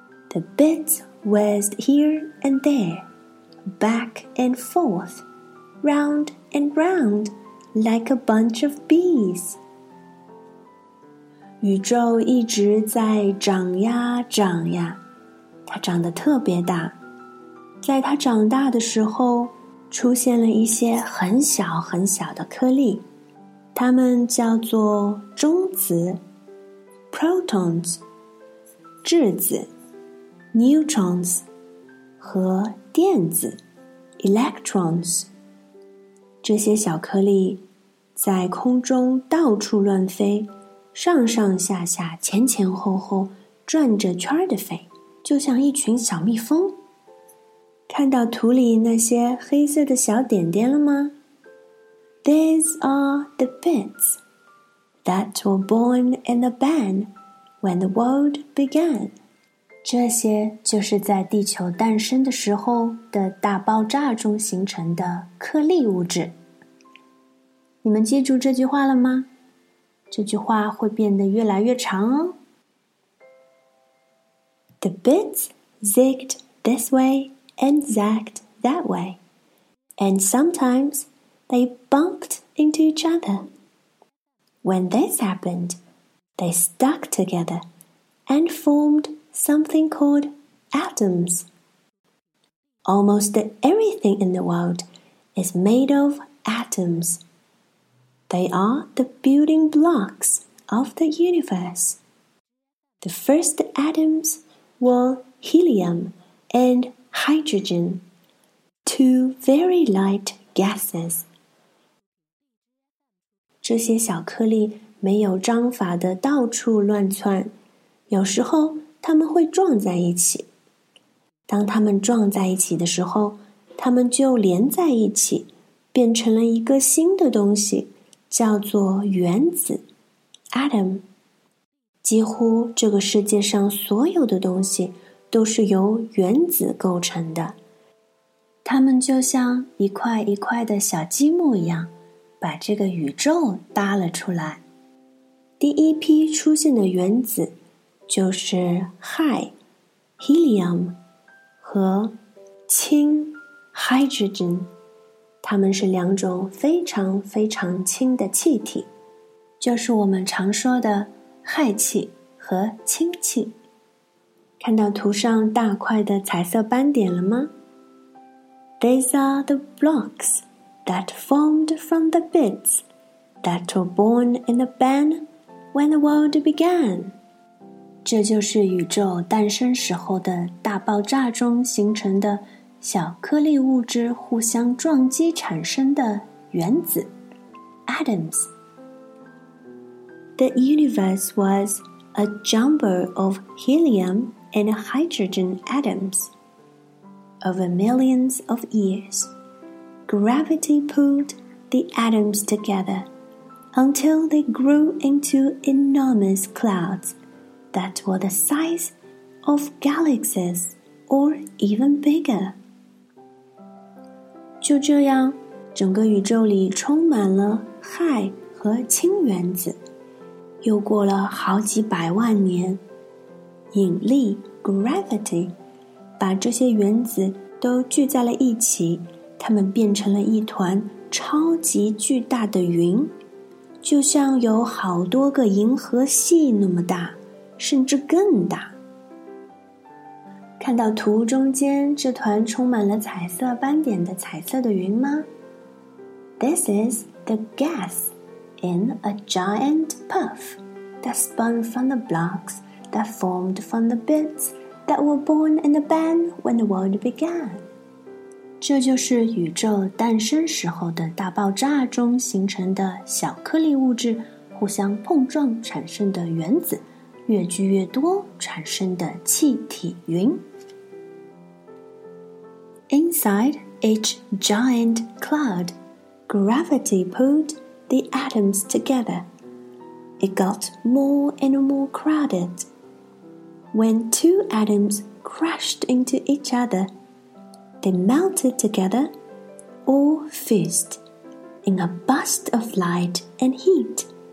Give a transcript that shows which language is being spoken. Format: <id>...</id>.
<en>The bits whizzed here and there, back and forth, round and round, like a bunch of bees.</en> <zh>宇宙一直在长呀长呀，它长得特别大。在它长大的时候，出现了一些很小很小的颗粒，它们叫做中子 （protons）、质子 （neutrons） 和电子 （electrons）。这些小颗粒在空中到处乱飞。上上下下，前前后后，转着圈的飞，就像一群小蜜蜂。看到图里那些黑色的小点点了吗？</zh> <en>These are the bits that were born in the bang when the world began.</en> <zh>这些就是在地球诞生的时候的大爆炸中形成的颗粒物质。你们记住这句话了吗？这句话会变得越来越长哦。</zh> <en>The bits zigged this way and zagged that way. And sometimes they bumped into each other. When this happened, they stuck together and formed something called atoms. Almost everything in the world is made of atoms. They are the building blocks of the universe. The first atoms were helium and hydrogen, two very light gases.</en> <zh>这些小颗粒没有章法的到处乱窜，有时候它们会撞在一起。当它们撞在一起的时候，它们就连在一起，变成了一个新的东西，叫做原子 ,atom。几乎这个世界上所有的东西都是由原子构成的。它们就像一块一块的小积木一样，把这个宇宙搭了出来。第一批出现的原子就是氦 ,helium, 和氢 ,hydrogen。它们是两种非常非常轻的气体，就是我们常说的氦气和氢气。看到图上大块的彩色斑点了吗？</zh> <en>These are the blocks that formed from the bits that were born in the bang when the world began.</en> <zh>这就是宇宙诞生时候的大爆炸中形成的小颗粒物质互相撞击产生的原子 ,atoms.</zh> <en>The universe was a jumble of helium and hydrogen atoms. Over millions of years, gravity pulled the atoms together until they grew into enormous clouds that were the size of galaxies or even bigger.</en> <zh>就这样，整个宇宙里充满了氦和氢原子。又过了好几百万年，引力 gravity 把这些原子都聚在了一起，它们变成了一团超级巨大的云，就像有好多个银河系那么大，甚至更大。看到图中间这团充满了彩色斑点的彩色的云吗？</zh> <en>This is the gas in a giant puff that spun from the blocks that formed from the bits that were born in the bang when the world began.</en> <zh>这就是宇宙诞生时候的大爆炸中形成的小颗粒物质互相碰撞产生的原子，越聚越多产生的气体云。</zh> <en>Inside each giant cloud, gravity pulled the atoms together. It got more and more crowded. When two atoms crashed into each other, they melted together or fused in a burst of light and heat.</en>